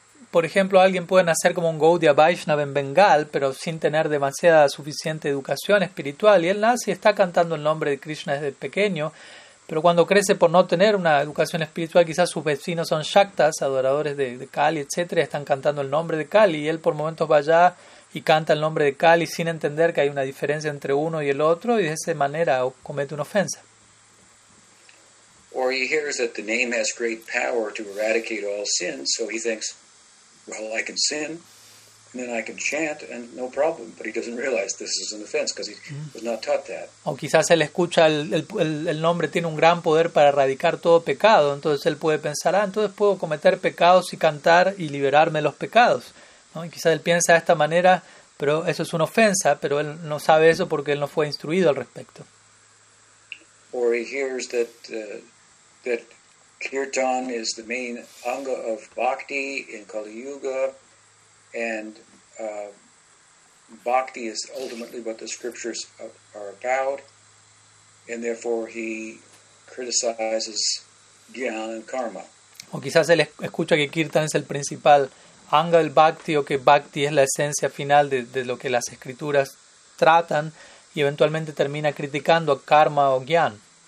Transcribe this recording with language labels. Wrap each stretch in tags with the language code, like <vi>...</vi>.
<es>Por ejemplo, alguien puede nacer como un Gaudiya Vaishnava en Bengal, pero sin tener demasiada suficiente educación espiritual. Y él nace y está cantando el nombre de Krishna desde pequeño, pero cuando crece por no tener una educación espiritual, quizás sus vecinos son Shaktas, adoradores de Kali, etc. Están cantando el nombre de Kali y él por momentos va allá y canta el nombre de Kali sin entender que hay una diferencia entre uno y el otro y de esa manera comete una ofensa.</es> <en>Or he hears that the name has great power to eradicate all sins, so he thinks, well, I can sin, and then I can chant, and no problem. But he doesn't realize this is an offense because he was not taught that.</en> <es>O quizás él escucha el nombre tiene un gran poder para erradicar todo pecado, entonces él puede pensar, ah, entonces puedo cometer pecados y cantar y liberarme de los pecados. ¿No? Y quizás él piensa de esta manera, pero eso es una ofensa, pero él no sabe eso porque él no fue instruido al respecto.</es> <en>Or he hears that kirtan is the main anga of bhakti in Kali Yuga, and bhakti is ultimately what the scriptures are about, and therefore he criticizes gyan and karma.</en> <es>O quizás él escucha que kirtan es el principal anga del bhakti, o que bhakti es la esencia final de lo que las escrituras tratan, y eventualmente termina criticando a karma o gyan.</es>